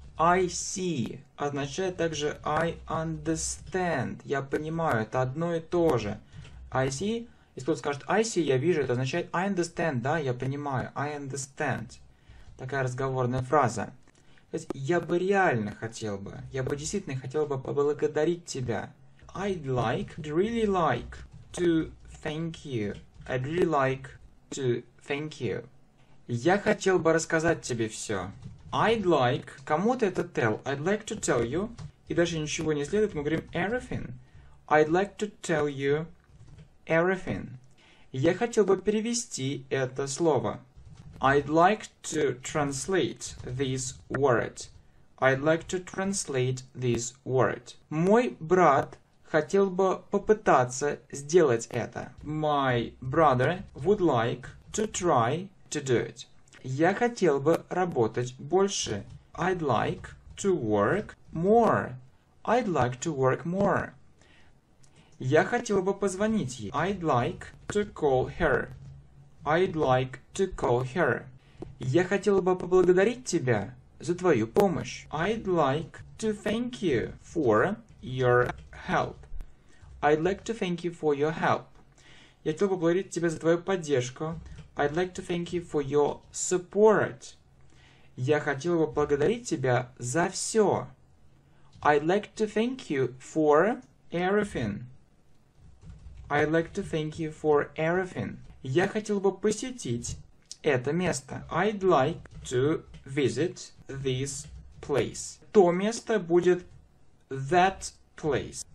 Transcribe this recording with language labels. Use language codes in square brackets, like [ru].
[en] I see [ru] означает также [en] I understand. [ru] Я понимаю, это одно и то же. [en] I see, [ru] если кто-то скажет I see, я вижу, это означает [en] I understand, [ru] да, я понимаю, I understand. Такая разговорная фраза. То есть, я бы реально хотел бы, я бы действительно хотел бы поблагодарить тебя. [en] I'd like, I'd really like to thank you. I'd really like to thank you. [ru] Я хотел бы рассказать тебе все. I'd like, кому-то это tell, [en] I'd like to tell you. [ru] И даже ничего не следует, мы говорим everything. [en] I'd like to tell you everything. [ru] Я хотел бы перевести это слово. [en] I'd like to translate this word. I'd like to translate this word. [ru] Мой брат хотел бы попытаться сделать это. [en] My brother would like to try to do it. [ru] Я хотел бы работать больше. [en] I'd like to work more. I'd like to work more. [ru] Я хотел бы позвонить ей. [en] I'd like to call her. I'd like to call her. [ru] Я хотел бы поблагодарить тебя за твою помощь. [en] I'd like to thank you for your help. I'd like to thank you for your help. [ru] Я хотел бы поблагодарить тебя за твою поддержку. [en] I'd like to thank you for your support. [ru] Я хотел бы поблагодарить тебя за все. [en] I'd like to thank you for everything. I'd like to thank you for everything. [ru] Я хотел бы посетить это место. [en] I'd like to visit this place. [ru] То место будет [en] that place.